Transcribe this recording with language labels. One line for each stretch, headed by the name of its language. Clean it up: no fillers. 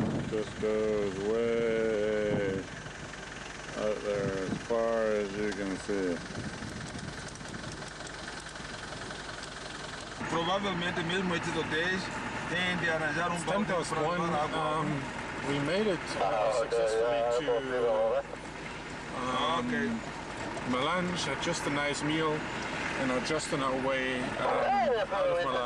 English: Goes way out there as far as you can see.
Portuguese: Provavelmente mesmo esses hotéis têm de arranjar balde para levar água.
English: We made it successfully to Malange, had just a nice meal, and are just on our way out of Malange.